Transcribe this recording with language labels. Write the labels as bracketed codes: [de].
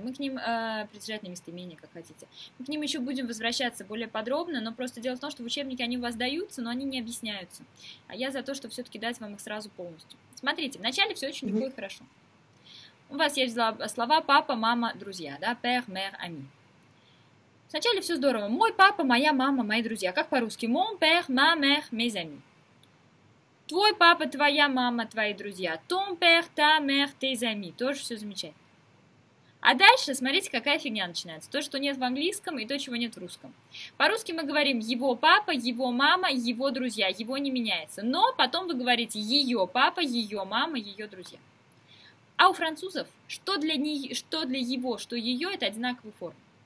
[ru] Мы к ним, притяжательные местоимения, как хотите. Мы к ним еще будем возвращаться более подробно, но просто дело в том, что в учебнике они у вас даются, но они не объясняются. А я за то, что все-таки дать вам их сразу полностью. Смотрите, вначале все очень легко и хорошо. У вас есть слова папа, мама, друзья, да? [fr] Père, mère, ami. [ru] Вначале все здорово. Мой папа, моя мама, мои друзья. Как по-русски? [fr] Mon père, ma mère, mes amis. [ru] Твой папа, твоя мама, твои друзья. [fr] Ton père, ta mère, tes amis. [ru] Тоже все замечательно. А дальше, смотрите, какая фигня начинается. То, что нет в английском, и то, чего нет в русском. По-русски мы говорим его папа, его мама, его друзья. Его не меняется. Но потом вы говорите ее папа, ее мама, ее друзья. А у французов, что для его, что ее, это одинаковая форма.